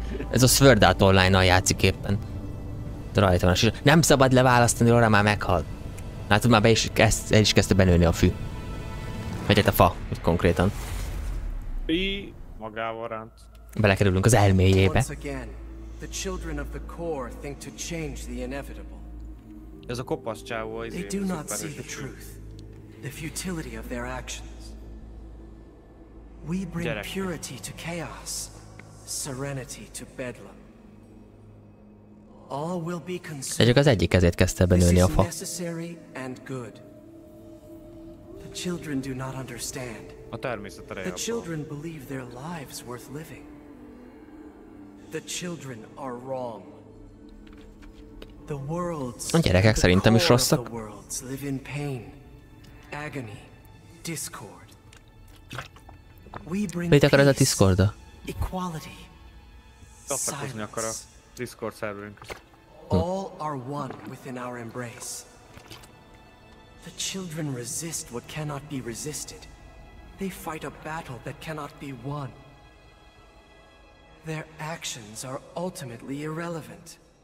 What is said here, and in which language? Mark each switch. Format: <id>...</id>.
<hu>Ez a Sword Art Online-nal játszik éppen. De rajta van a sisa. Nem szabad leválasztani, róla már meghalt. Látod, már el is kezdte benőni a fű. Vagy hát a fa, hogy konkrétan. Magával ránt. Belekerülünk az elméjébe.</hu> <en>Once again, the children of the core think to change the inevitable.</en> <hu>Ez a kopasz csávó, izé.</hu> <en>They do not see the truth, the futility of their actions. We bring purity to chaos, serenity to bedlam. All will be consumed.</en> <hu>De csak az egyik kezét kezdte benőni a fa.</hu> <en>This is necessary and good. The children do not understand.</en> <hu>A természet erejéből.</hu> <en>The children believe their lives worth living. The children are wrong. The world's</en> <hu>a gyerekek szerintem is rosszak.</hu> <en>thoughts live in pain, agony, discord. We bring peace, equality, silence.</en> <hu>Mit akar ez a Discord?</hu> <en>Equality.</en> <hu>Csapatkozni akar a Discord szerverünk.</hu> <en>All are one within our embrace. The children resist what cannot be resisted. They fight a battle that cannot be won. Their actions are ultimately irrelevant.</en>